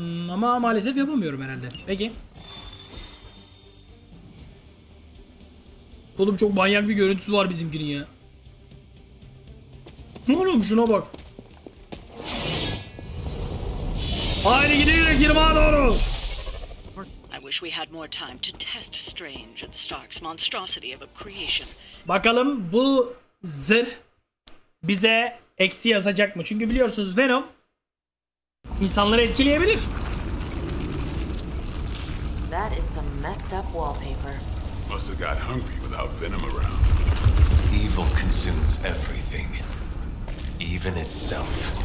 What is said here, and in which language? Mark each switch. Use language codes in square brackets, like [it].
[tr] Ama maalesef yapamıyorum herhalde. Peki. Oğlum çok manyak bir görüntüsü var bizimkinin ya. Oğlum şuna bak. Haydi gidiyoruz İrmağa doğru. [en] I wish we had more time to test Strange and Stark's monstrosity of a creation. [tr] Bakalım bu zırh bize eksi yazacak mı? Çünkü biliyorsunuz Venom insanları etkileyebilir. [en] That is some messed up wallpaper. Must have got hungry without Venom around. Evil consumes everything, even itself.